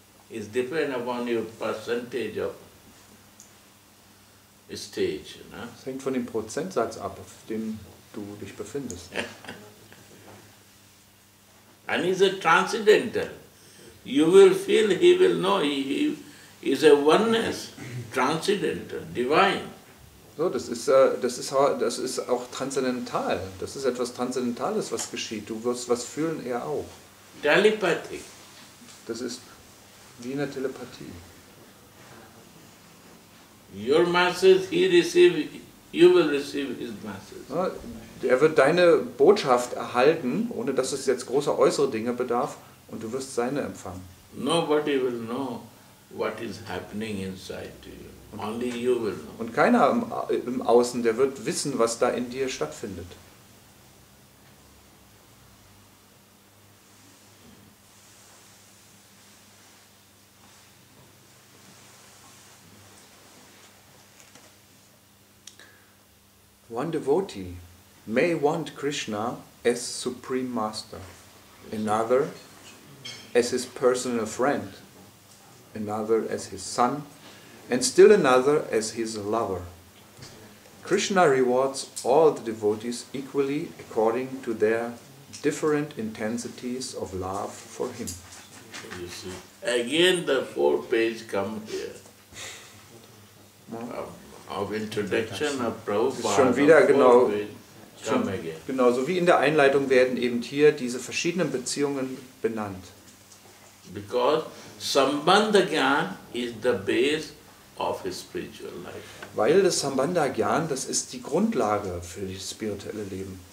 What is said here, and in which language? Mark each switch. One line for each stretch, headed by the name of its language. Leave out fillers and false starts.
English: It depends upon your percentage of stage, ne?
German: Es hängt von dem Prozentsatz ab, auf dem du dich befindest.
English: And he's a transcendental. You will feel, he will know, he is a oneness, transcendental, divine.
German: So, das ist auch transzendental. Das ist etwas Transzendentales, was geschieht. Du wirst was fühlen, er auch.
English: Telepathic.
German: Das ist wie eine Telepathie.
English: Your message, he receive, you will receive his message.
German: Er wird deine Botschaft erhalten, ohne dass es jetzt große äußere Dinge bedarf, und du wirst seine empfangen.
English: Nobody will know what is happening inside you. Only you will know.
German: Und keiner im Außen, der wird wissen, was da in dir stattfindet.
English: One devotee may want Krishna as supreme master, another as his personal friend, another as his son, and still another as his lover. Krishna rewards all the devotees equally according to their different intensities of love for him. You see, again the four pages come here. Of introduction of Prabhupada,
German: schon wieder genau, genauso wie in der Einleitung werden eben hier diese verschiedenen Beziehungen benannt.
English: Because Sambandha Gyan is the base of his spiritual life.
German: Weil das Sambandha Gyan, das ist die Grundlage für das spirituelle Leben.